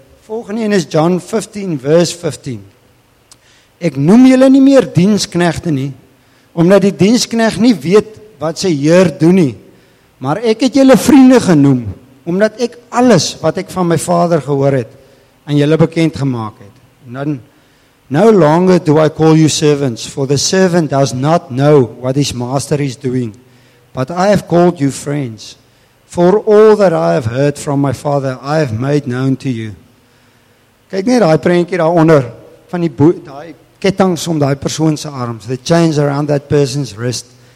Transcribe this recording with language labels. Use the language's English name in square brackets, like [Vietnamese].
[Afrikaans] Volgende een is John 15 verse 15. Ek noem julle nie meer diensknegte nie, omdat die diensknegt nie weet wat sy heer doen nie. Maar ek het julle vriende genoem, omdat ek alles wat ek van my Vader gehoor het, aan julle bekend gemaak het. [English] No longer do I call you servants, for the servant does not know what his master is doing. But I have called you friends, for all that I have heard from my Father, I have made known to you. [Afrikaans] Kyk net daai prentjie daaronder van die daai kettinge om daai persoon se arms, [English] the chains around that person's wrist.